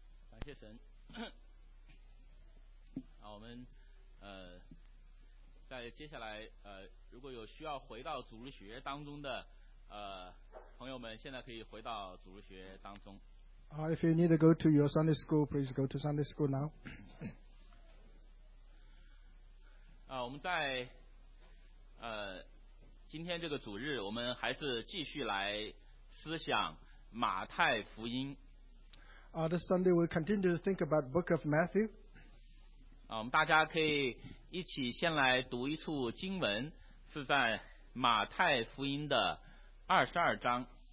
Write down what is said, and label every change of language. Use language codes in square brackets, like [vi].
[zh] 感谢神。好，我们在接下来如果有需要回到主日学当中的朋友们，现在可以回到主日学当中。 [en] If you need to go to your Sunday school, please go to Sunday school now. [zh] 我们在今天这个主日，我们还是继续来思想马太福音。 [en] This Sunday we continue to think about the book of Matthew. [zh] 我们大家可以一起先来读一处经文，是在马太福音的22:36-40.